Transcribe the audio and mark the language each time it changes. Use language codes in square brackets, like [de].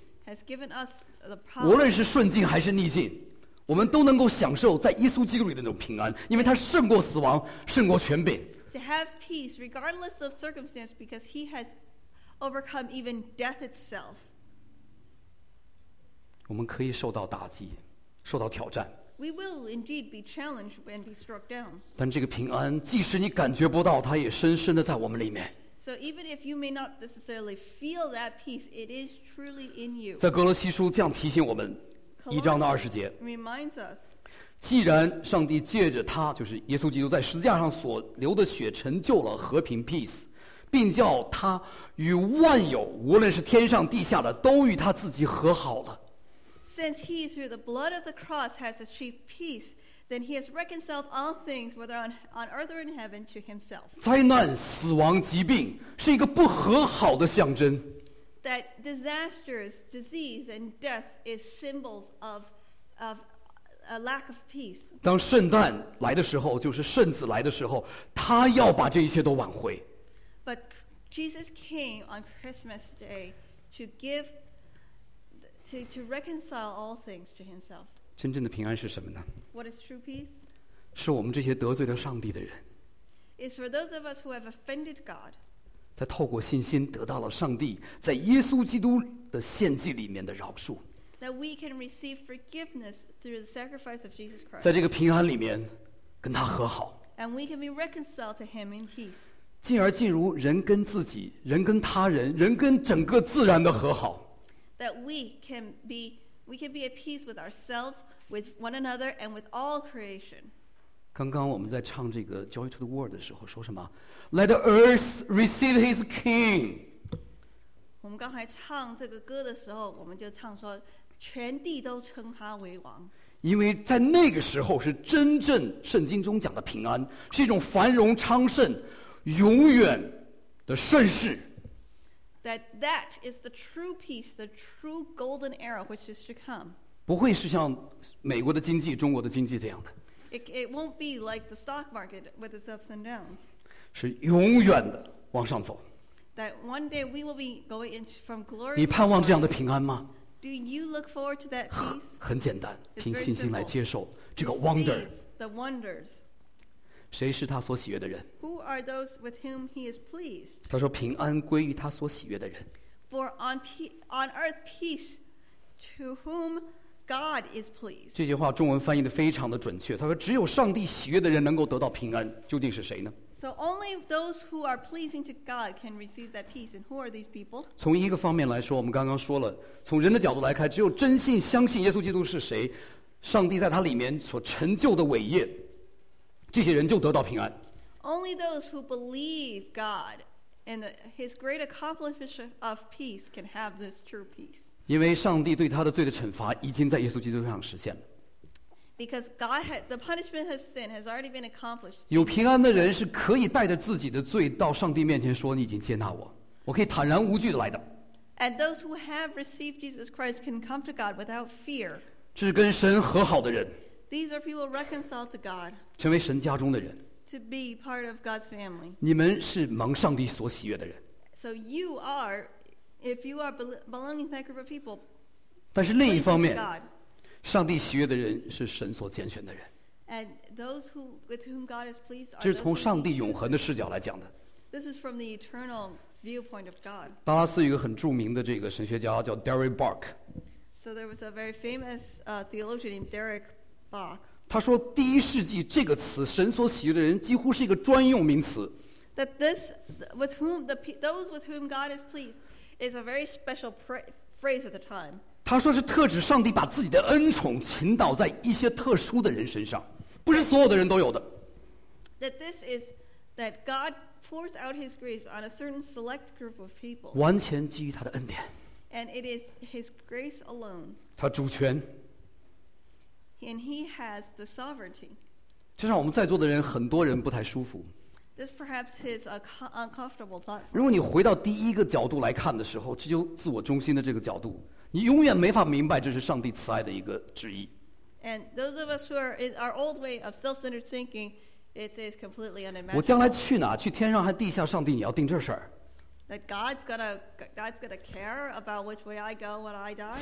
[en] has given us the power, [zh] 无论是顺境还是逆境, 我们都能够享受在耶稣基督里的那种平安, 因为他胜过死亡, 胜过权柄, [en] to have peace regardless of circumstance, because he has overcome even death itself. [zh] 我们可以受到打击, 受到挑战, [en] We will indeed be challenged and be struck down. [zh] 但这个平安，即使你感觉不到，它也深深的在我们里面。 [en] So even if you may not necessarily feel that peace, it is truly in you. [zh] 在哥罗西书这样提醒我们，一章的二十节。 [en] Reminds us. [zh] 既然上帝借着他，就是耶稣基督在十字架上所流的血，成就了和平 peace。并叫他与万有，无论是天上地下的，都与他自己和好了。 [en] Since he through the blood of the cross has achieved peace, then he has reconciled all things, whether on earth or in heaven, to himself. [zh] 灾难、死亡、疾病是一个不和好的象征。 [en] That disasters, disease, and death is symbols of a lack of peace. [zh] 当圣诞来的时候，就是圣子来的时候，他要把这一切都挽回。 [en] But Jesus came on Christmas Day to give, to reconcile all things to himself. [zh] 真正的平安是什么呢？ [en] What is true peace? [zh] 是我们这些得罪了上帝的人。 [en] It's for those of us who have offended God. [zh] 在透过信心得到了上帝在耶稣基督的献祭里面的饶恕。 [en] That we can receive forgiveness through the sacrifice of Jesus Christ. [zh] 在这个平安里面跟他和好。 [en] And we can be reconciled to him in peace. [zh] 进而进入人跟自己、人跟他人、人跟整个自然的和好。 [en] That we can be at peace with ourselves, with one another, and with all creation. [zh] 刚刚我们在唱这个 Joy to the World 的时候说什么 ？ [en] Let the earth receive his king. [zh] 我们刚才唱这个歌的时候，我们就唱说，全地都称他为王。因为在那个时候是真正圣经中讲的平安，是一种繁荣昌盛。永远的盛世。 [en] That is the true peace, the true golden era which is to come. [zh] 不会是像美国的经济、中国的经济这样的。 [en] It won't be like the stock market with its ups and downs. [zh] 是永远的往上走。 [en] That one day we will be going in from glory. [zh] 你盼望这样的平安吗？ [en] Do you look forward to that peace? [zh] 很简单，凭信心来接受这个 wonder. [en] The wonders. [zh] 谁是他所喜悦的人？ [en] Who are those with whom he is pleased? [zh] 他说平安归于他所喜悦的人。 [en] For on earth peace to whom God is pleased. [zh] 这句话中文翻译的非常的准确，他说只有上帝喜悦的人能够得到平安，究竟是谁呢？ [en] So only those who are pleasing to God can receive that peace. And who are these people? [zh] 从一个方面来说，我们刚刚说了，从人的角度来看，只有真信相信耶稣基督是谁，上帝在他里面所成就的伟业，这些人就得到平安。 [en] Only those who believe God and His great accomplishment of peace can have this true peace. [zh] 因为上帝对他的罪的惩罚已经在耶稣基督上实现了。 [en] Because God had the punishment of sin has already been accomplished. [zh] 有平安的人是可以带着自己的罪到上帝面前说：“你已经接纳我，我可以坦然无惧的来的。” [en] And those who have received Jesus Christ can come to God without fear. [zh] 这是跟神和好的人。 [en] These are people reconciled to God. [zh] 成为神家中的人。 [en] To be part of God's family. [zh] 你们是蒙上帝所喜悦的人。 [en] So you are, if you are belonging to that group of people. [zh] 但是另一方面，上帝喜悦的人是神所拣选的人。 [en] And those who with whom God is pleased are. [zh] 这是从上帝永恒的视角来讲的。 [en] This is from the eternal viewpoint of God. [zh] 达拉斯有一个很著名的这个神学家叫 Derek Bach. [en] So there was a very famous theologian named Derek. [zh] 他说第一世纪这个词神所喜悦的人几乎是一个专用名词。 [en] That this with whom the those with whom God is pleased is a very special phrase at the time. [zh] 他说是特指上帝把自己的恩宠倾倒在一些特殊的人身上，不是所有的人都有的。 [en] That this is that God pours out his grace on a certain select group of people. [zh] 完全基于他的恩典。 [en] And it is his grace alone. [zh] 他主权。 [en] And he has the sovereignty. [zh] 这让我们在座的人很多人不太舒服。 [en] This perhaps is a uncomfortable thought. [zh] 如果你回到第一个角度来看的时候，这就自我中心的这个角度，你永远没法明白这是上帝慈爱的一个旨意。 [en] And those of us who are in our old way of self-centered thinking, it is completely unimaginable. [zh] 我将来去哪？去天上还地下？上帝，你要定这事儿。 [en] That God's gonna care about which way I go when I die.